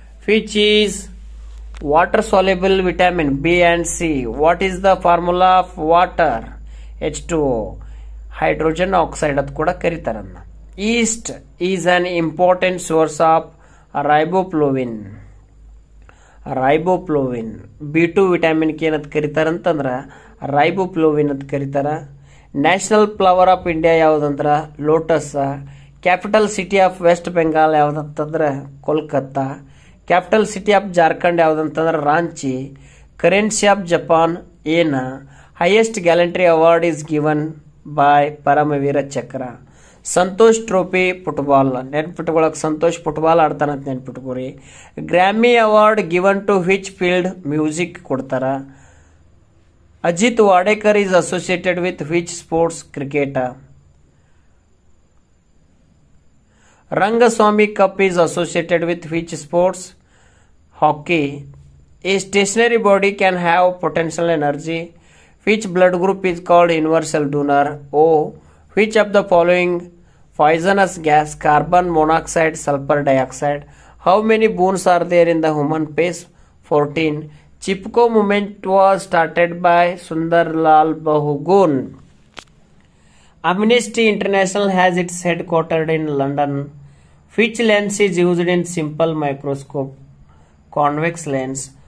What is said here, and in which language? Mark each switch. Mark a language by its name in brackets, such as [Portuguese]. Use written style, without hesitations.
[English] Which is water soluble vitamin B and C? What is the formula of water? H2O. Hydrogen oxide. Yeast is an important source of riboflavin. [Kannada] ರೈಬೋಪ್ಲೋವಿನ್ B to ವಿಟಾಮಿನ್ಗೆ ಏನದು ಕರೀತಾರ ಅಂತಂದ್ರೆ ರೈಬೋಪ್ಲೋವಿನ್ ಅಂತ ಕರೀತಾರ. [English] National flower of India ಯಾವುದಂದ್ರೆ lotus. Capital city of West Bengal ಯಾವುದಂತಂದ್ರೆ Kolkata. Capital city of Jharkhand ಯಾವುದಂತಂದ್ರೆ Ranchi. Currency of Japan ಏನು? Highest gallantry award is given by Param Vir Chakra. [Kannada] Santosh trophy football ನೆನ್ಪಿಟ್ಕೊಳಕ್ಕೆ Santosh football ಆಡ್ತಾನೆ ಅಂತ ನೆನ್ಪಿಟ್ಕೋರಿ. [English] Grammy award given to which field music ಕೊಡ್ತಾರ? Ajit Wadekar is associated with which sports? Cricket. Rangaswamy cup is associated with which sports? Hockey. A stationary body can have potential energy? Which blood group is called universal donor? O. Which of the following poisonous gas? Carbon monoxide, sulfur dioxide. How many bones are there in the human face? 14. Chipko movement was started by Sundar Lal Bahugun. Amnesty International has its headquartered in London. Which lens is used in simple microscope? Convex lens.